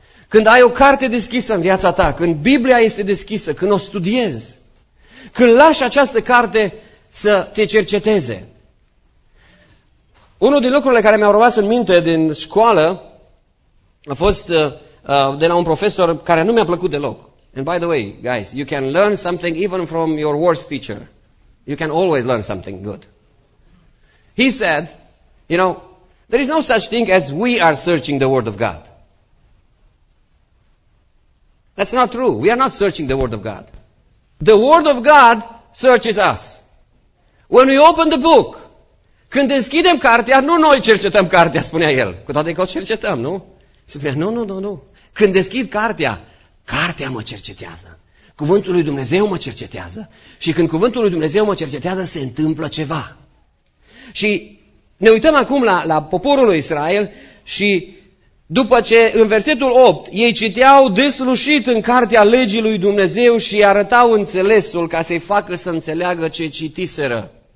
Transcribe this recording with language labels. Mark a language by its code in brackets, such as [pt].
[ro] Când ai o carte deschisă în viața ta, când Biblia este deschisă, când o studiezi, când lași această carte să te cerceteze? Unul din lucrurile care mi-au rămas în minte din școală a fost de la un profesor care nu mi-a plăcut deloc. [en] And by the way, guys, you can learn something even from your worst teacher. You can always learn something good. He said, you know, there is no such thing as we are searching the Word of God. That's not true. We are not searching the Word of God. The Word of God searches us. When we open the book, [ro] când deschidem cartea, nu noi cercetăm cartea, spunea el. Cu toate că o cercetăm, nu? Spunea, nu. Când deschid cartea, cartea mă cercetează. Cuvântul lui Dumnezeu mă cercetează. Și când cuvântul lui Dumnezeu mă cercetează, se întâmplă ceva. Și ne uităm acum la poporul lui Israel și după ce în versetul 8 ei citeau deslușit în cartea legii lui Dumnezeu și arătau înțelesul ca să-i facă să înțeleagă ce citiseră.